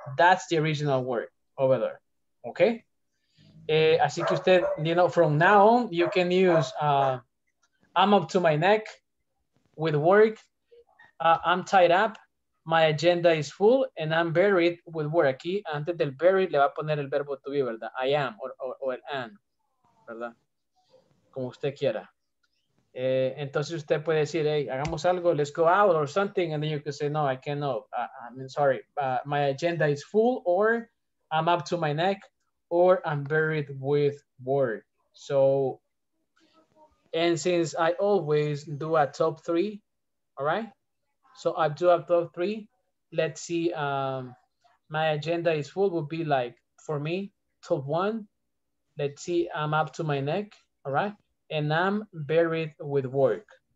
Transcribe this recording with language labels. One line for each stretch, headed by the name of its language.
English: That's the original word over there, okay?
Spanish: Así que usted,
English: you know, from now on, you can use, I'm up to my neck with work, I'm tied up, my agenda is full, and I'm buried with work.
Spanish: Aquí, antes del buried, le va a poner el verbo to be, ¿verdad?
English: I am, or
Spanish: el am, ¿verdad? Como usted quiera. Entonces usted puede decir,
English: hey,
Spanish: hagamos algo,
English: let's go out or something, and then you can say, no, I cannot, my agenda is full, or I'm up to my neck, or I'm buried with work. So, and since I always do a top three, all right, so I do a top three, let's see, my agenda is full would be like, for me, top one, let's see, I'm up to my neck, all right, and I'm buried with work.